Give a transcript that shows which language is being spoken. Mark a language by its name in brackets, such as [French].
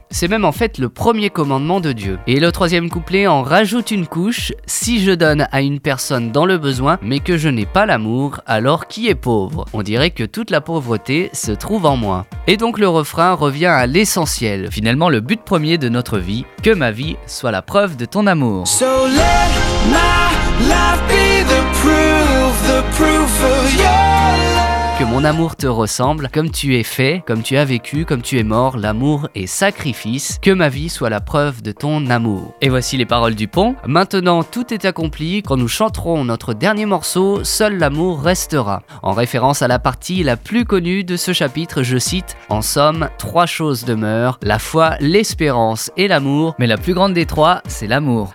[French] C'est même en fait le premier commandement de Dieu. Et le troisième couplet en rajoute une couche. Si je donne à une personne dans le besoin, mais que je n'ai pas l'amour, alors qui est pauvre ? On dirait que toute la pauvreté se trouve en moi. Et donc le refrain revient à l'essentiel. Finalement, le but premier de notre vie, que ma vie soit la preuve de ton amour. [English] So let my life be the proof of your love. [French] Que mon amour te ressemble, comme tu es fait, comme tu as vécu, comme tu es mort, l'amour est sacrifice, que ma vie soit la preuve de ton amour. Et voici les paroles du pont. Maintenant tout est accompli, quand nous chanterons notre dernier morceau, seul l'amour restera. En référence à la partie la plus connue de ce chapitre, je cite, en somme, trois choses demeurent, la foi, l'espérance et l'amour, mais la plus grande des trois, c'est l'amour.